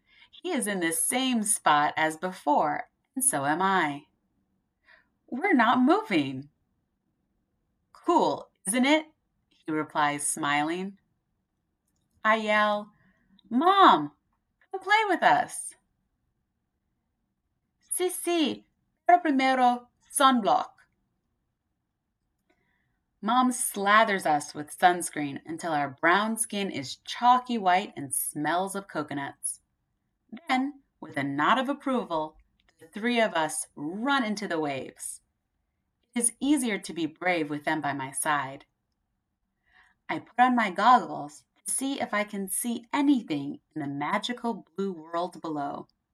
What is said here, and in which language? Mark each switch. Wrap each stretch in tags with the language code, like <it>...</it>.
<en>He is in the same spot as before, and so am I. We're not moving. Cool, isn't it? He replies, smiling. I yell, Mom, come play with us.</en> <es>Sí, pero primero sunblock.</es> <en>Mom slathers us with sunscreen until our brown skin is chalky white and smells of coconuts. Then, with a nod of approval, the three of us run into the waves. It is easier to be brave with them by my side. I put on my goggles to see if I can see anything in the magical blue world below.</en>